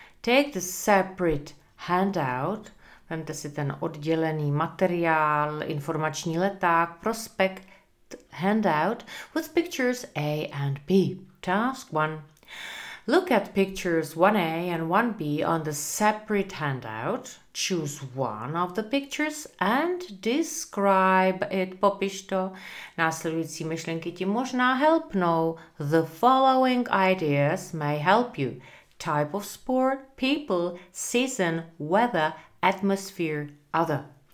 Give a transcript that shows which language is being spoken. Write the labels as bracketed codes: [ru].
[en] Take the separate handout, [cs] vemte si ten oddělený materiál, informační leták, prospekt, [en] handout, with pictures A and B. Task 1. Look at pictures 1A and 1B on the separate handout. Choose one of the pictures and describe it. [cs] Popiš to. Následující myšlenky ti možná helpnou. [en] The following ideas may help you. Type of sport, people, season, weather, atmosphere, other.